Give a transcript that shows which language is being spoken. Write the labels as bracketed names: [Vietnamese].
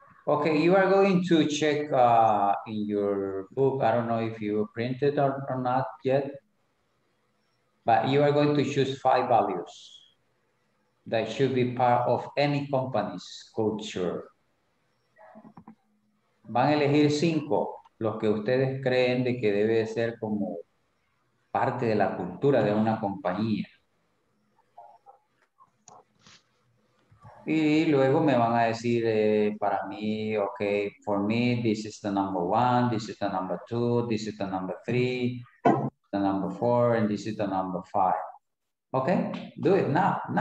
[English] Okay, you are going to check in your book. I don't know if you printed or not yet, but you are going to choose five values that should be part of any company's culture. [Spanish] Van a elegir cinco, los que ustedes creen de que debe ser como parte de la cultura de una compañía. Y luego me van a decir, para mí, [English] okay, for me, this is the number one, this is the number two, this is the number three, the number four, and this is the number five. Okay, do it now.